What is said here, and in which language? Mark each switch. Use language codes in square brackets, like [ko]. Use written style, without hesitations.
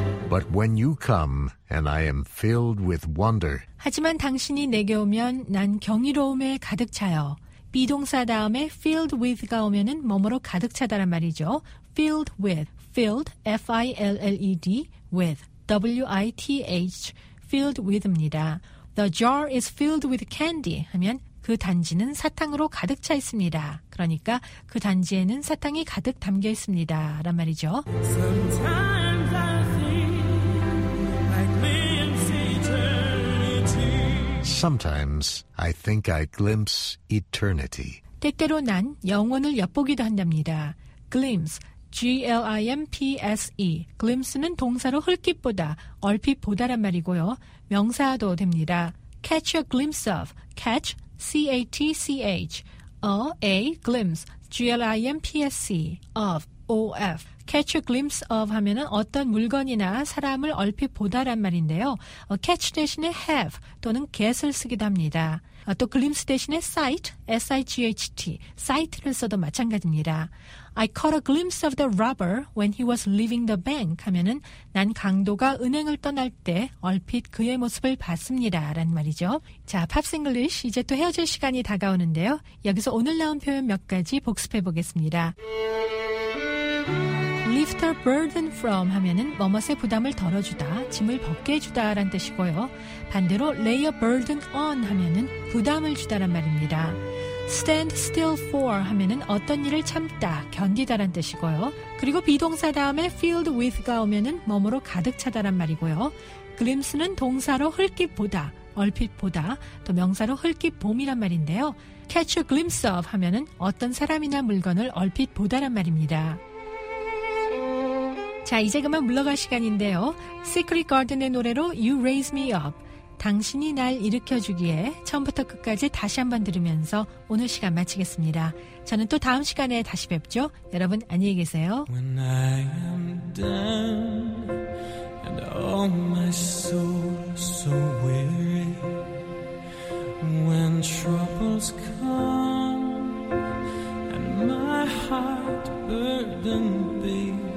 [en] But when you come and I am filled with wonder. [ko] 하지만 당신이 내게 오면 난 경이로움에 가득 차요. 비동사 다음에 filled with가 오면은 뭐뭐로 가득 차다란 말이죠. filled with, filled, F-I-L-L-E-D, with. [en] W-I-T-H, filled with입니다. The jar is filled with candy [ko] 하면 그 단지는 사탕으로 가득 차 있습니다. 그러니까 그 단지에는 사탕이 가득 담겨 있습니다. 라는 말이죠. [en] Sometimes I think I glimpse eternity. Sometimes I think I glimpse eternity. [ko] 때때로 난 영혼을 엿보기도 한답니다. [en] Glimpse, G-L-I-M-P-S-E. [ko] Glimpse는 동사로 흘낏 보다, 얼핏 보다란 말이고요. 명사도 됩니다. Catch a glimpse of, catch, C-A-T-C-H. [en] A glimpse, G-L-I-M-P-S-E, of, O-F. [ko] Catch a glimpse of 하면은 어떤 물건이나 사람을 얼핏 보다란 말인데요. Catch 대신에 have 또는 get을 쓰기도 합니다. 또 glimpse 대신에 sight, S-I-G-H-T, sight를 써도 마찬가지입니다. [en] I caught a glimpse of the robber when he was leaving the bank [ko] 하면은 난 강도가 은행을 떠날 때 얼핏 그의 모습을 봤습니다. 라는 말이죠. 자, Pops English 이제 또 헤어질 시간이 다가오는데요. 여기서 오늘 나온 표현 몇 가지 복습해 보겠습니다. Lift a burden from 하면은 뭐뭇의 부담을 덜어주다, 짐을 벗게 해주다 라는 뜻이고요. 반대로 lay a burden on 하면은 부담을 주다란 말입니다. Stand still for 하면은 어떤 일을 참다, 견디다란 뜻이고요. 그리고 비동사 다음에 filled with가 오면은 뭐뭐로 가득 차다란 말이고요. Glimpse는 동사로 흘낏 보다, 얼핏 보다, 또 명사로 흘낏 봄이란 말인데요. Catch a glimpse of 하면은 어떤 사람이나 물건을 얼핏 보다란 말입니다. 자, 이제 그만 물러갈 시간인데요. Secret Garden의 노래로 You Raise Me Up. 당신이 날 일으켜주기에 처음부터 끝까지 다시 한번 들으면서 오늘 시간 마치겠습니다. 저는 또 다음 시간에 다시 뵙죠. 여러분 안녕히 계세요. [en] When I am down and all my soul so weary When troubles come and my heart burden be